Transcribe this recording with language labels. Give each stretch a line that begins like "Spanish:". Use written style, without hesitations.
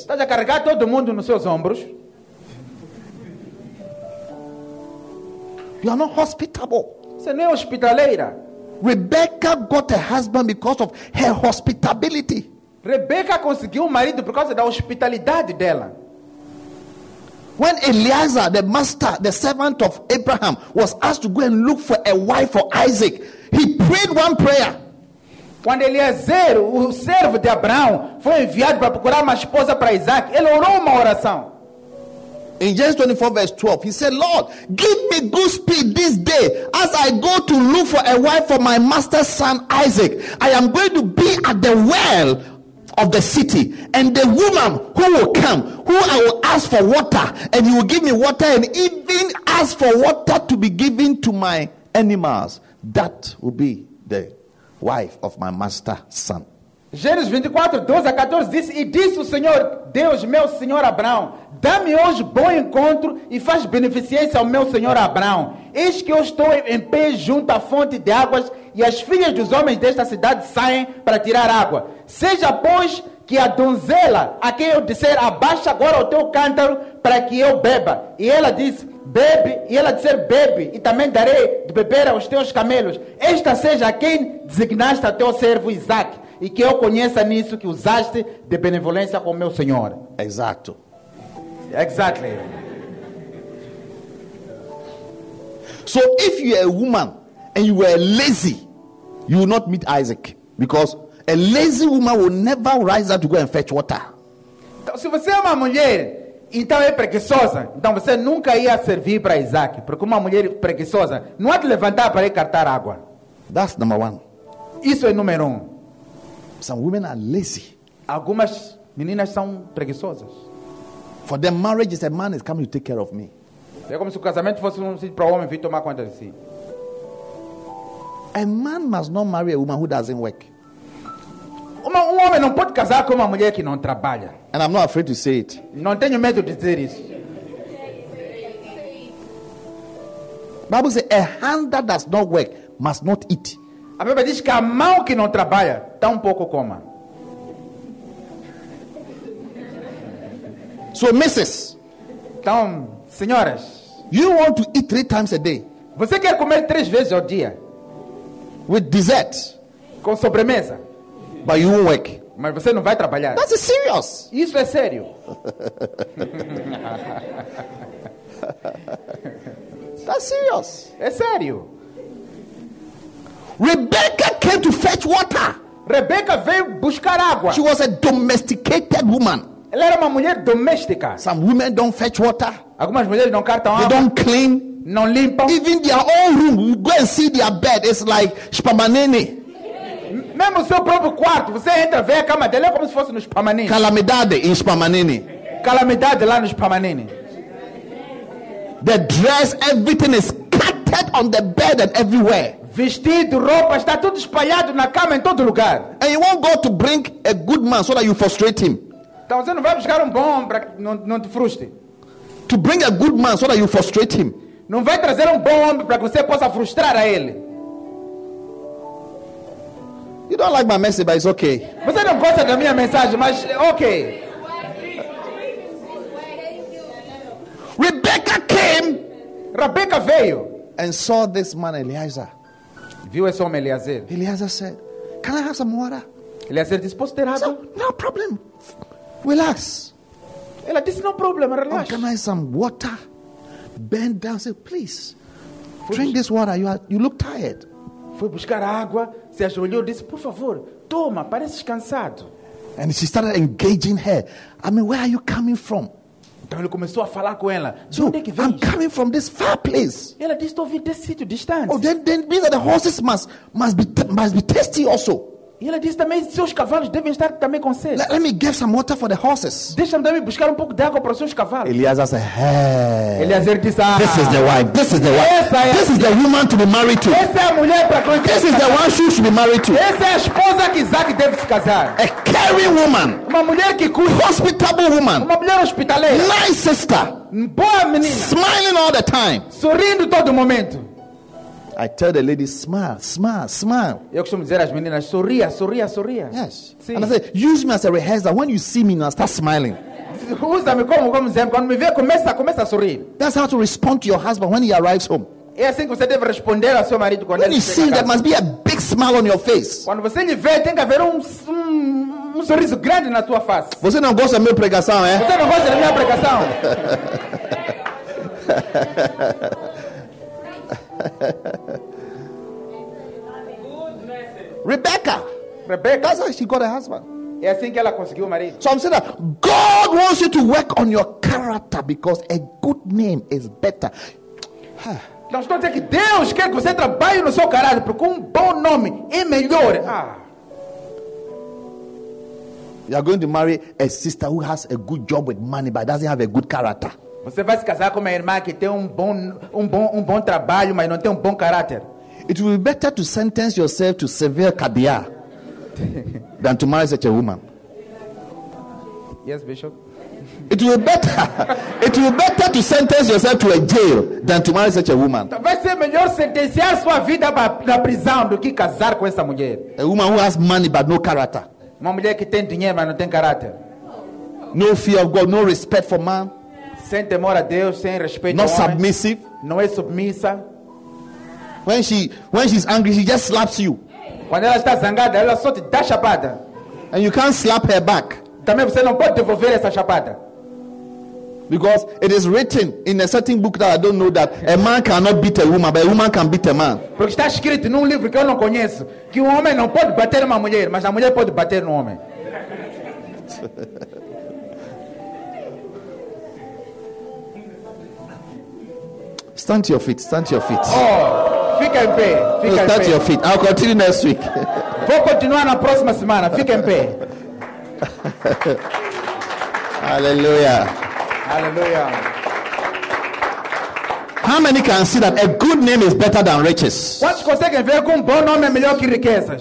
Portuguese: Estás a carregar todo mundo nos seus ombros?
English: You are not hospitable.
Portuguese: Você não é hospitaleira.
English: Rebecca got a husband because of her hospitality.
Portuguese: Rebecca conseguiu marido por causa da hospitalidade dela.
English: When Eliezer, the master, the servant of Abraham, was asked to go and look for a wife for Isaac, he prayed one prayer.
Portuguese: Quando Eliezer, o servo de Abraão, foi enviado para procurar uma esposa para Isaac, ele orou uma oração.
English: In Genesis 24 verse 12, he said, Lord, give me good speed this day as I go to look for a wife for my master's son Isaac. I am going to be at the well of the city, and the woman who will come, who I will ask for water, and he will give me water, and even ask for water to be given to my animals, that will be the wife of my master's son.
Portuguese: Gênesis 24, 12 a 14 diz: E disse o Senhor Deus, meu Senhor Abraão, dá-me hoje bom encontro e faz beneficência ao meu Senhor Abraão. Eis que eu estou em pé junto à fonte de águas e as filhas dos homens desta cidade saem para tirar água. Seja, pois, que a donzela a quem eu disser, abaixa agora o teu cântaro para que eu beba. E ela disse, bebe, e ela disser, bebe, e também darei de beber aos teus camelos. Esta seja quem designaste a teu servo Isaac. E que eu conheça nisso que usaste de benevolência com o meu Senhor. Exato.
English: Exactly. So if you are a woman and you are lazy, you will not meet Isaac. Because a lazy woman will never rise up to go and fetch water.
Portuguese: Então, se você é uma mulher, então é preguiçosa. Então você nunca ia servir para Isaac. Porque uma mulher preguiçosa não há de levantar para ir cartar água.
English: That's number one.
Portuguese: Isso é número um.
English: Some women are lazy.
Portuguese: Algumas meninas são preguiçosas.
English: For them, marriage is a man is coming to take care of me.
Portuguese: É como se o casamento fosse um sítio para o homem vir tomar conta de si.
English: A man must not marry a woman who doesn't work.
Portuguese: Um homem não pode casar com uma mulher que não trabalha.
English: And I'm not afraid to say it.
Portuguese: Não tenho medo de dizer isso.
English: Bible says a hand that does not work must not eat.
Portuguese: A Bíblia diz que a mão que não trabalha, tampouco coma.
English: So, missus.
Portuguese: Então, senhoras.
English: You want to eat three times a day.
Portuguese: Você quer comer três vezes ao dia.
English: With dessert.
Portuguese: Com sobremesa.
English: But you won't work.
Portuguese: Mas você não vai trabalhar.
English: That's serious.
Portuguese: Isso é sério.
English: That's serious.
Portuguese: É sério.
English: Rebecca came to fetch water.
Portuguese: Rebecca veio buscar água.
English: She was a domesticated woman.
Portuguese: Ela era uma mulher doméstica.
English: Some women don't fetch water.
Portuguese: Algumas mulheres não cartam água.
English: They don't clean.
Portuguese: Não limpam.
English: Even their own room, you go and see their bed. It's like shpamanene.
Portuguese: Mesmo seu próprio quarto, você entra e vê a cama dela como se fosse no shpamanene. Calamidade em shpamanene. Calamidade lá no shpamanene.
English: The dress, everything is scattered on the bed and everywhere.
Portuguese: Vestido, roupa, está tudo espalhado na cama em todo lugar.
English: And you won't go to bring a good man so that you frustrate him.
Portuguese: Então você não vai buscar bom homem para que não te frustre.
English: To bring a good man so that you frustrate him.
Portuguese: Não vai trazer bom homem para que você possa frustrar a ele.
English: You don't like my message, but it's okay.
Portuguese: Você não gosta da minha mensagem, mas okay.
English: Rebecca came.
Portuguese: Rebecca veio.
English: And saw this man, Eliezer.
Portuguese: Viu esse homem, Eliezer?
English: Eliezer said, can I have some water?
Portuguese: Eliezer disse, posso ter água?
English: No problem. Relax.
Portuguese: Ela disse,
English: no problem, relax. Oh, can I have some water? Bend down, say, please. Drink this water, you look tired.
Portuguese: Foi buscar água, se ajoelhou, disse, por favor, toma, pareces cansado.
English: And she started engaging her. I mean, where are you coming from?
Portuguese: Então ele começou a falar com ela. De onde é que vem?
English: I'm coming from this far place.
Portuguese: Ela disse, estou vindo desse sítio distante.
English: Oh, then means that the horses must be thirsty also.
Portuguese: Ela disse também, seus cavalos devem estar também com sede.
English: Let me get some water for the horses.
Portuguese: Deixa-me também buscar pouco de água para os seus cavalos.
English: Eliezer said, hey.
Portuguese: Eliezer disse, ah,
English: this is the wife. This is the wife. This is the woman to be married to.
Portuguese: Essa é a mulher para quem
English: this is the one she should be married to.
Portuguese: Essa é a esposa que Isaac deve se casar.
English: A caring woman.
Portuguese: Uma mulher que cuida.
English: Hospitable woman.
Portuguese: Uma mulher hospitaleira.
English: Nice sister.
Portuguese: Boa menina.
English: Smiling all the time.
Portuguese: Sorrindo todo momento.
English: I tell the lady, smile, smile, smile.
Portuguese: Eu costumo dizer às meninas, sorria, sorria, sorria.
English: Yes.
Portuguese: Sim.
English: And I say, use me as a rehearsal. When you see me, now start smiling.
Portuguese: Usa-me como exemplo. Quando me vê, começa a sorrir.
English: That's how to respond to your husband when he arrives home.
Portuguese: É assim que você deve responder ao seu marido quando
English: when
Portuguese: ele
English: you see, there must be a big smile on your face.
Portuguese: Quando você lhe vê, tem que haver um sorriso grande na sua face. Você não gosta da minha pregação, é? Você não gosta da minha pregação.
English: Rebecca. That's how she got a husband.
Portuguese: É assim que ela conseguiu o marido.
English: So I'm saying that God wants you to work on your character because a good name is better.
Portuguese: Então, estou dizendo que Deus quer que você trabalhe no seu caráter, porque um bom nome é melhor.
English: You are going to marry a sister who has a good job with money but doesn't have a good character.
Portuguese: Você vai se casar com uma irmã que tem um bom trabalho, mas não tem um bom caráter.
English: It will be better to sentence yourself to severe cardia than to marry such a woman. Yes, Bishop. It will be better to sentence yourself to a jail than to marry such a woman.
Portuguese: Talvez seja melhor sentenciar sua vida na prisão do que casar com essa mulher.
English: A woman who has money but no character.
Portuguese: Uma mulher que tem dinheiro mas não tem caráter.
English: No fear of God, no respect for man.
Portuguese: Sem temor a Deus, sem respeito.
English: Not submissive.
Portuguese: Não é submissa.
English: When she's angry, she just slaps you.
Portuguese: Quando ela está zangada, ela só te dá chapada.
English: And you can't slap her back.
Portuguese: Também você não pode devolver essa chapada.
English: Because it is written in a certain book that I don't know that a man cannot beat a woman, but a woman can beat a man.
Portuguese: Porque está escrito num livro que eu não conheço que um homem não pode bater uma mulher, mas a mulher pode bater um homem.
English: Stand to your feet. Stand to your feet.
Portuguese: Oh, fica em pé. Fica
English: stand
Portuguese: em pé.
English: To your feet. I'll continue next week.
Portuguese: Vou continuar na próxima semana. Fica em pé. Hallelujah. Hallelujah.
English: How many can see that a good name is better than riches?
Portuguese: Quantos conseguem ver que um bom nome é melhor que riquezas?